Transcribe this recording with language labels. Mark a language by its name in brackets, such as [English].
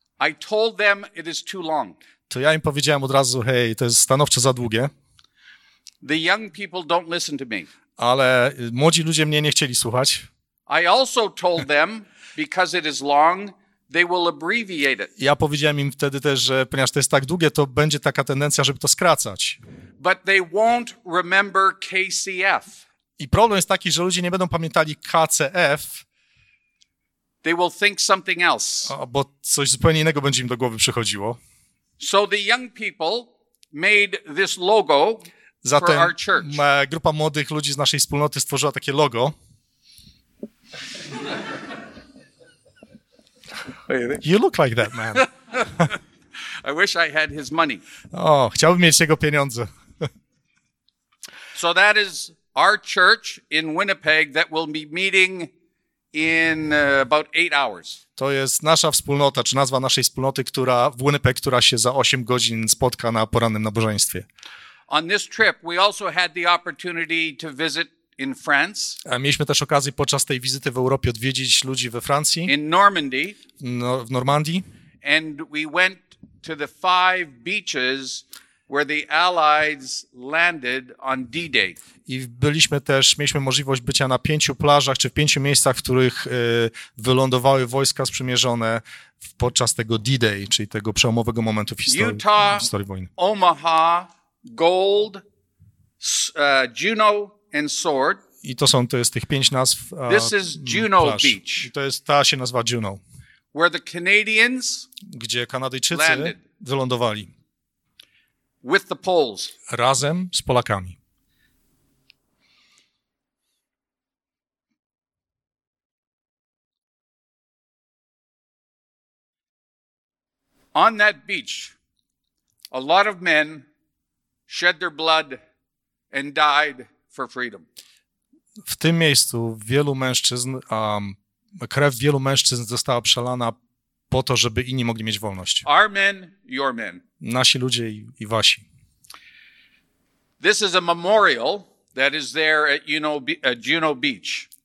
[English] I told them it is too long. [Polish] To ja im powiedziałem od razu, hej, to jest stanowczo za długie. [English] The young people don't listen to me. [Polish] Ale młodzi ludzie mnie nie chcieli słuchać. [English] I also told them, because it is long, they will abbreviate it. [Polish] Ja powiedziałem im wtedy też, że ponieważ to jest tak długie, to będzie taka tendencja, żeby to skracać. [English] But they won't remember KCF. [Polish] I problem jest taki, że ludzie nie będą pamiętali KCF. [English] They will think something else. [Polish] Bo coś zupełnie innego będzie im do głowy przychodziło. [English] So the young people made this logo. [Polish] Zatem [English] for our church. [Polish] Grupa młodych ludzi z naszej wspólnoty stworzyła takie logo. [English] You look like that man. I wish I had his money. [Polish] O, chciałbym mieć jego pieniądze. [English] So that is our church in Winnipeg that will be meeting in about 8 hours. [Polish] To jest nasza wspólnota, czy nazwa naszej wspólnoty, która w Winnipeg, która się za 8 godzin spotka na porannym nabożeństwie. [English] On this trip we also had the opportunity to visit in France. [Polish] A mieliśmy też okazję podczas tej wizyty w Europie odwiedzić ludzi we Francji. [English] In Normandy. [Polish] W Normandii. [English] And we went to the 5 beaches where the Allies landed on D-Day. [Polish] I byliśmy też, mieliśmy możliwość bycia na 5 plażach, czy w 5 miejscach, w których wylądowały wojska sprzymierzone podczas tego D-Day, czyli tego przełomowego momentu w historii wojny. [English] Utah, Omaha, Gold, Juno and Sword. [Polish] I to jest tych 5 nazw. [English] This is Juno [Polish] plaż. [English] Beach. [Polish] I to jest, ta się nazywa Juno. [English] Where the Canadians, [Polish] gdzie Kanadyjczycy [English] landed. [Polish] Wylądowali. [English] With the Poles. [Polish] Razem z Polakami. [English] On that beach, a lot of men shed their blood and died for freedom. [Polish] W tym miejscu wielu mężczyzn, krew wielu mężczyzn została przelana po to, żeby inni mogli mieć wolność. [English] Our men, your men. [Polish] Nasi ludzie i wasi. [English] This is a memorial that is there at Juno Beach.